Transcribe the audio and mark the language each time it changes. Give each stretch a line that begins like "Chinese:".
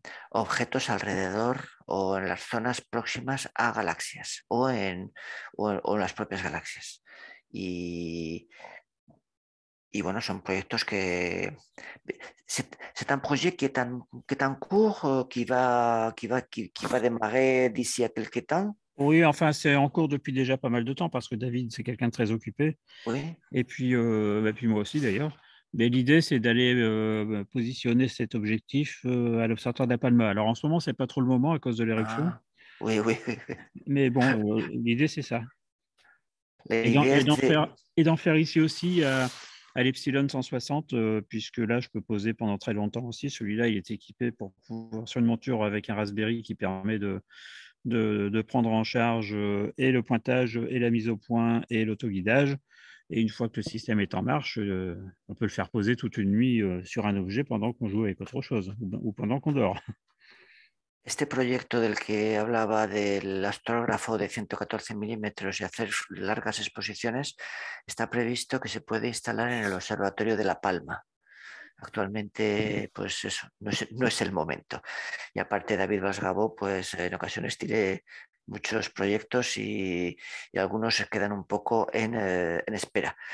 Spanish: objetos alrededor o en las zonas próximas a galaxias o en las propias galaxias. Y
French: Et voilà, c'est un projet qui est... C'est un projet qui est en cours, qui va démarrer d'ici à quelques temps. Oui, enfin, c'est en cours depuis déjà pas mal de temps parce que David, c'est quelqu'un de très occupé. Oui. Et puis moi aussi d'ailleurs. Mais l'idée, c'est d'aller positionner cet objectif à l'Observatoire de la Palma. Alors en ce moment, ce n'est pas trop le moment à cause de l'éruption. Ah, oui. Mais bon, l'idée, c'est ça. Et L'idée est de... d'en faire ici aussi à l'Epsilon 160, puisque là, je peux poser pendant très longtemps aussi. Celui-là, il est équipé pour pouvoir sur une monture avec un Raspberry qui permet de prendre en charge et le pointage et la mise au point et l'autoguidage. Et une fois que le système est en marche, on peut le faire poser toute une nuit sur un objet pendant qu'on joue avec autre chose ou pendant qu'on dort.
Spanish: Este proyecto del que hablaba del astrógrafo de 114 milímetros y hacer largas exposiciones está previsto que se puede instalar en el Observatorio de La Palma. Actualmente, pues eso, no es el momento. Y aparte, David Vasgabó, pues en ocasiones tiene muchos proyectos y algunos se quedan un poco en espera.